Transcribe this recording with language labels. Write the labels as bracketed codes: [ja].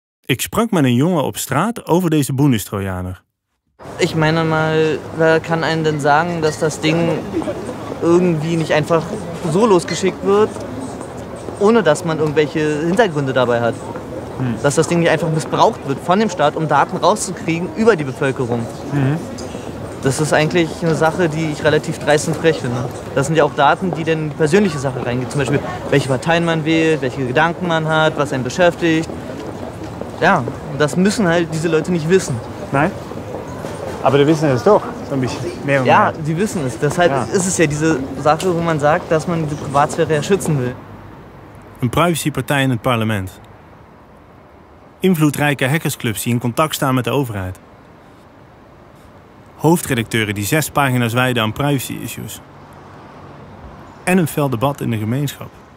[nl] Ik sprak met een jongen op straat over deze Bundestrojaner. [de] Ik meine mal, wer kan einen denn sagen, dass das Ding irgendwie nicht einfach so losgeschickt wird, ohne dass man irgendwelche Hintergründe dabei hat? Dass das Ding nicht einfach missbraucht wird von dem Staat, um Daten rauszukriegen über die Bevölkerung. Das ist eigentlich eine Sache, die ich relativ dreist und frech finde. Das sind ja auch Daten, die denn in die persönliche Sache reingehen. Zum Beispiel, welche Parteien man wählt, welche Gedanken man hat, was einen beschäftigt. Ja, das müssen halt diese Leute nicht wissen. Nein? Aber die wissen es doch, so ein bisschen mehr. Ja, die wissen es. Deshalb ist es ja diese Sache, wo man sagt, dass man die Privatsphäre ja schützen will. [nl] Een privacypartij in het parlement. Invloedrijke hackersclubs die in contact staan met de overheid. Hoofdredacteuren die 6 pagina's wijden aan privacy issues. En een fel debat in de gemeenschap.